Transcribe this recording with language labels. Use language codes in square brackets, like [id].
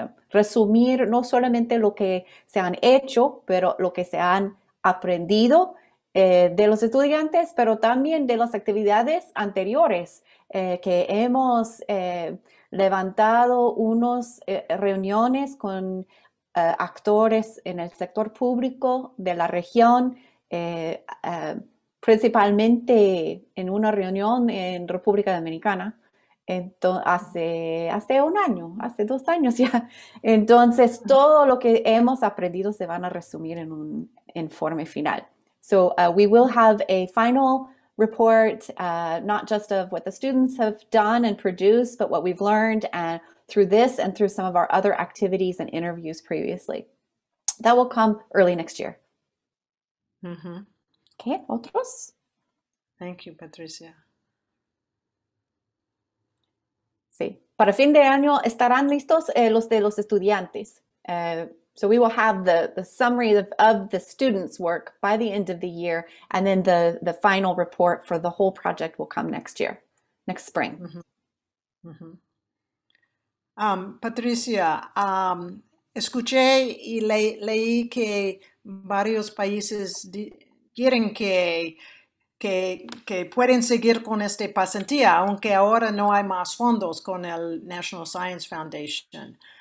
[es] resumir no solamente lo que se han hecho, pero lo que se han aprendido de los estudiantes, pero también de las actividades anteriores que hemos levantado unas reuniones con actores en el sector público de la región, principalmente en una reunión en República Dominicana, Entonces, hace un año, hace dos años ya. Entonces, todo lo que hemos aprendido se van a resumir en un informe final. [en] So we will have a final report, not just of what the students have done and produced, but what we've learned and through this and through some of our other activities and interviews previously. That will come early next year. Mm-hmm. [es] Okay, otros? [en] Thank you, Patricia. [es] Sí, para fin de año estarán listos los de los estudiantes. [en] So we will have the summary of the students' work by the end of the year, and then the final report for the whole project will come next year, next spring. Mm-hmm. Mm-hmm. [es] Patricia, escuché y leí que varios países quieren que pueden seguir con esta pasantía, aunque ahora no hay más fondos con el National Science Foundation.